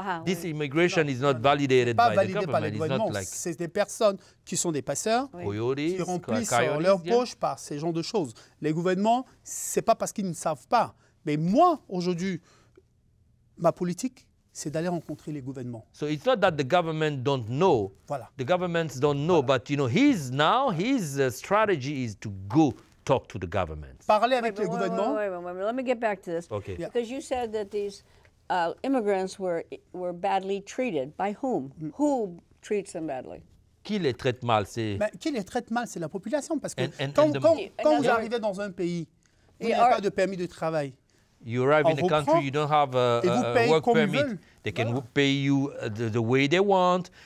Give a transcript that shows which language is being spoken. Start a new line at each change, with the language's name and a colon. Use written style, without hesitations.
English: This immigration is not validated by the government.
French: C'est des personnes qui sont des passeurs, qui remplissent leur poche par ces genres de choses. Les gouvernements, c'est pas parce qu'ils ne savent pas. Mais moi, aujourd'hui, ma politique, c'est d'aller rencontrer les gouvernements.
English: So it's not that the government don't know.
French: Voilà.
English: The governments don't know, but you know, his strategy is to go. Talk to the government.
French: Parler avec le gouvernement.
English: Let me get back to this. Okay. Yeah. Because you said that these immigrants were badly treated. By whom? Mm. Who treats them badly?
French: Qui les traite mal? Qui les traite mal? C'est la population. Parce que quand vous arrivez dans un pays, vous n'avez pas de permis de travail.
English: You arrive in a country, you don't have a work permit. They can pay you the way they want.